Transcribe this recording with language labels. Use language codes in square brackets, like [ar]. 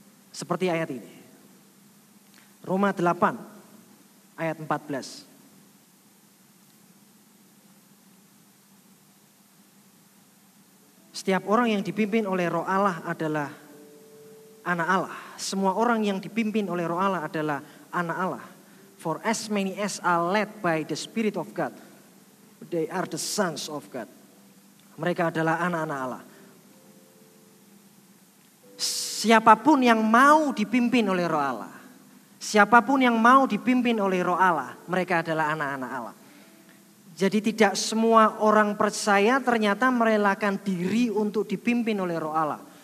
[id] Seperti ayat ini. Roma 8 ayat 14. Setiap orang yang dipimpin oleh Roh Allah adalah anak Allah. Semua orang yang dipimpin oleh Roh Allah adalah anak Allah. [en] For as many as are led by the Spirit of God, they are the sons of God. [id] Mereka adalah anak-anak Allah. Siapapun yang mau dipimpin oleh Roh Allah, siapapun yang mau dipimpin oleh Roh Allah, mereka adalah anak-anak Allah. Jadi tidak semua orang percaya ternyata merelakan diri untuk dipimpin oleh Roh Allah.